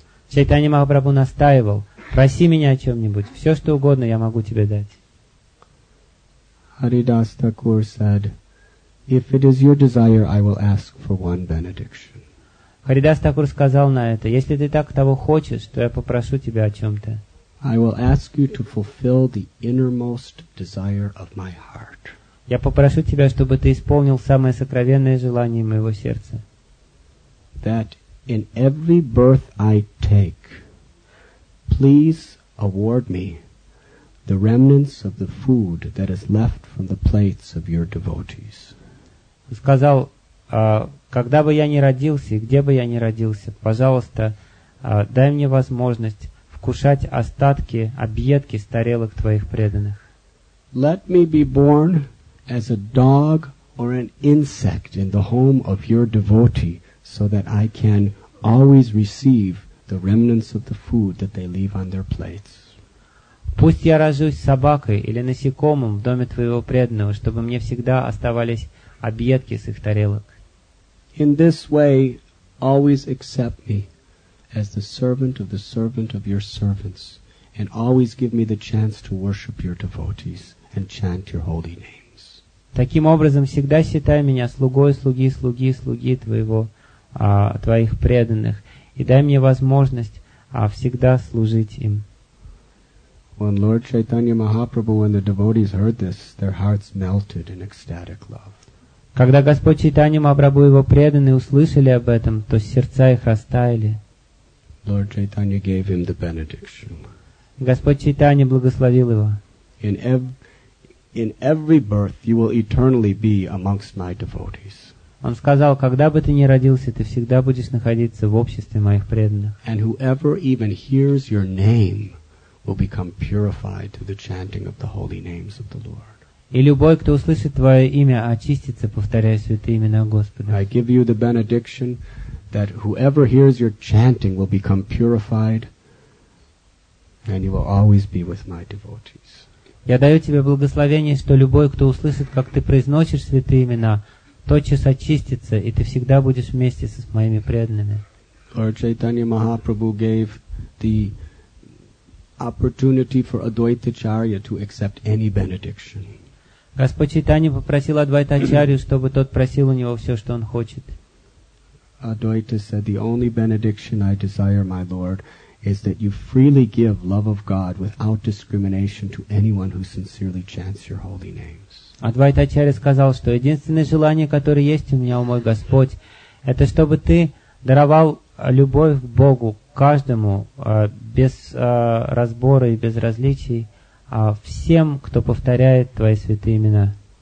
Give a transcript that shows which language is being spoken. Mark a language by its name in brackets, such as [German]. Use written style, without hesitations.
[Russian] Чайтанья Махапрабху настаивал, проси меня о чем-нибудь, все, что угодно, я могу тебе дать. [English] Haridas Thakur said, If it is your desire, I will ask for one benediction. [Russian] Харидас Такур сказал на это: если ты так того хочешь, то я попрошу тебя о чем-то. [English] I will ask you to fulfill the innermost desire of my heart. [Russian] Я попрошу тебя, чтобы ты исполнил самое сокровенное желание моего сердца. [English] That in every birth I take, please award me the remnants of the food that is left from the plates of your devotees. [Russian] Сказал, когда бы я ни родился и где бы я ни родился, пожалуйста, дай мне возможность вкушать остатки, объедки с тарелок твоих преданных. [English] Let me be born as a dog or an insect in the home of your devotee, so that I can always receive the remnants of the food that they leave on their plates. [Russian] Пусть я рожусь собакой или насекомым в доме твоего преданного, чтобы мне всегда оставались объедки с их тарелок. [English] In this way, always accept me as the servant of the servant of your servants, and always give me the chance to worship your devotees and chant your holy names. [Russian] Таким образом, всегда считай меня слугой, слуги, слуги, слуги твоего, твоих преданных, и дай мне возможность всегда служить им. [English] When Lord Chaitanya Mahaprabhu and the devotees heard this, their hearts melted in ecstatic love. [Russian] Когда Господь Чайтанья Махапрабху и его преданные услышали об этом, то сердца их растаяли. [English] Lord Chaitanya gave him the benediction. [Russian] Господь Чайтанья благословил его. [English] In every birth you will eternally be amongst my devotees. [Russian] Он сказал, когда бы ты ни родился, ты всегда будешь находиться в обществе моих преданных. [English] And whoever even hears your name will become purified through the chanting of the holy names of the Lord. [Russian] И любой, кто услышит твое имя, очистится, повторяя святые имена Господа. [English] I give you the benediction that whoever hears your chanting will become purified and you will always be with my devotees. [Russian] Я даю тебе благословение, что любой, кто услышит, как ты произносишь святые имена, тотчас очистится, и ты всегда будешь вместе со моими преданными. [English] Lord Chaitanya Mahaprabhu gave the opportunity for Advaita Acharya to accept any benediction. [Russian] Господь Чайтанья попросил Адвайта Ачарью, чтобы тот просил у него все, что он хочет. [English] Адвайта said, the only benediction I desire, my Lord, is that you freely give love of God without discrimination to anyone who sincerely chants your holy names. [Russian] Адвайта Ачарья сказал, что единственное желание, которое есть у меня, о мой Господь, это чтобы ты даровал любовь к Богу каждому без разбора и без различий. Всем, кто повторяет твои святые имена.